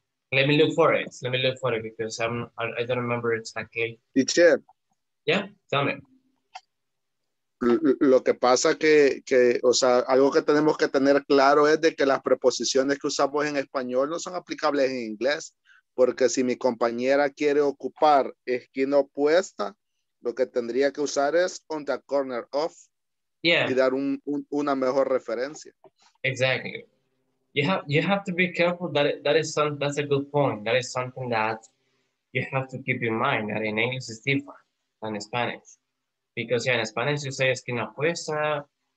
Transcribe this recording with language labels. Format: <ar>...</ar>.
<en>Let me look for it. Let me look for it because I don't remember exactly. Teacher. Yeah, tell me.</en> <es>Lo que pasa que o sea, algo que tenemos que tener claro es de que las preposiciones que usamos en español no son aplicables en inglés, porque si mi compañera quiere ocupar esquina opuesta, lo que tendría que usar es</es> <en>on the corner of. Yeah.</en> <es>Y dar una mejor referencia.</es> <en>Exactly. You have to be careful that's a good point. That is something that you have to keep in mind, that in English is different than in Spanish. Because yeah, in Spanish you say</en> <es>esquina opuesta.</es>